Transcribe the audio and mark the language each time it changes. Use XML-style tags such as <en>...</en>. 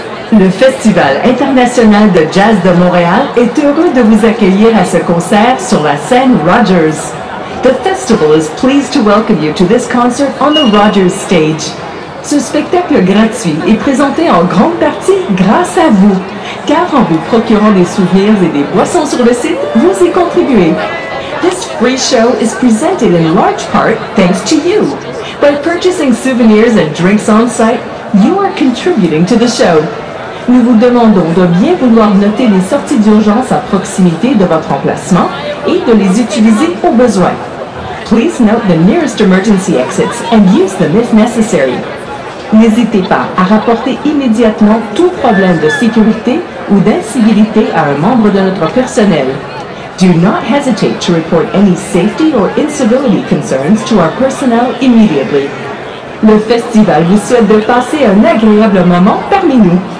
<fr>Le Festival international de jazz de Montréal est heureux de vous accueillir à ce concert sur la scène Rogers.</fr> <en>The festival is pleased to welcome you to this concert on the Rogers stage.</en> <fr>Ce spectacle gratuit est présenté en grande partie grâce à vous, car en vous procurant des souvenirs et des boissons sur le site, vous y contribuez.</fr> <en>This free show is presented in large part thanks to you. By purchasing souvenirs and drinks on site, you are contributing to the show.</en> <fr>Nous vous demandons de bien vouloir noter les sorties d'urgence à proximité de votre emplacement et de les utiliser au besoin.</fr> <en>Please note the nearest emergency exits and use them if necessary.</en> <fr>N'hésitez pas à rapporter immédiatement tout problème de sécurité ou d'incivilité à un membre de notre personnel.</fr> <en>Do not hesitate to report any safety or incivility concerns to our personnel immediately.</en> <fr>Le festival vous souhaite de passer un agréable moment parmi nous.</fr>